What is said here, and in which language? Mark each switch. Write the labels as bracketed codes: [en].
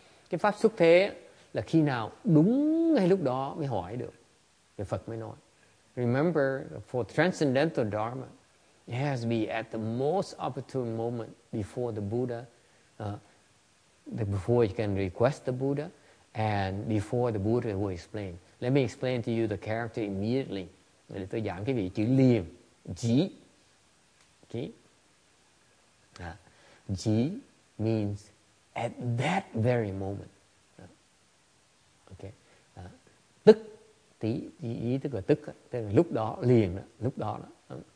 [vi] Cái pháp xuất thế là khi nào đúng ngay lúc đó mới hỏi được. Thì Phật mới nói. [en] Remember, for transcendental Dharma, it has to be at the most opportune moment before the Buddha, before you can request the Buddha, and before the Buddha will explain. Let me explain to you the character immediately. [vi] Để tôi giảng cái vị chữ liền. [en] Ji. Okay. Ji means at that very moment. Okay. [vi] Tức tí ý tức là lúc đó liền đó, lúc đó đó.